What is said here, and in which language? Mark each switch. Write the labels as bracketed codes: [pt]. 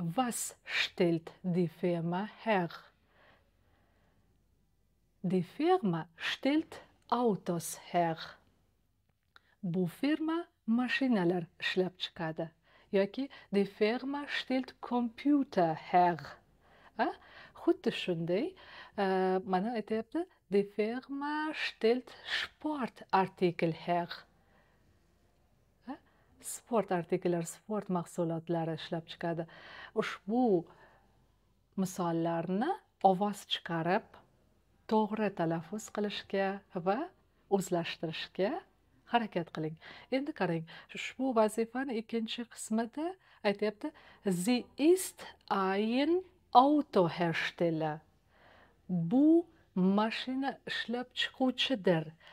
[de] Was stellt die Firma her? Die Firma stellt Autos her. [uz] Bu firma mashinalar ishlab chiqadi. Yoki [de] die Firma stellt Computer her. [uz] Xuddi shunday, mana aytayapti, [de] die Firma stellt Sportartikel her. [uz] Sport artikellar, sport mahsulotlari ishlab chiqadi. Ushbu misollarni ovoz chiqarib, to'g'ri talaffuz qilishga va o'zlashtirishga harakat qiling. Endi qarang, ushbu vazifani ikkinchi qismida aytayapti, [de] Sie ist ein Autohersteller. [uz] Bu mashina ishlab chiquvchidir.